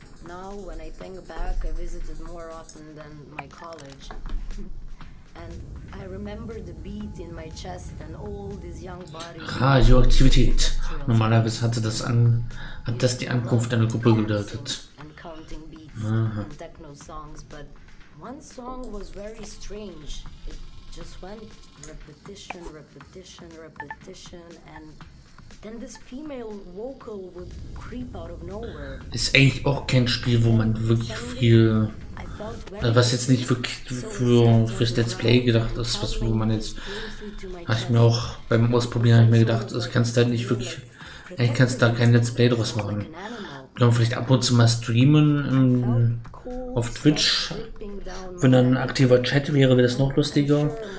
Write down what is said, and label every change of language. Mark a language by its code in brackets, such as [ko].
[en] Now, when I think back, I visited more often than my college. And I remember the beat in my chest and all these young bodies. [de] Radioaktivität. Normalerweise hat das die Ankunft einer Gruppe bedeutet. [en] And counting beats and techno songs, but one song was very strange. It just went repetition, and then this female vocal would creep out of nowhere. [de] Ist eigentlich auch kein Spiel, wo man wirklich viel. Also was jetzt nicht wirklich fürs Let's Play gedacht ist, was wo man jetzt, habe ich mir auch beim Ausprobieren ich mir gedacht, das kannst du halt nicht wirklich, eigentlich kannst du da kein Let's Play draus machen. Kann man vielleicht ab und zu mal streamen auf Twitch, wenn dann ein aktiver Chat wäre, wäre das noch lustiger.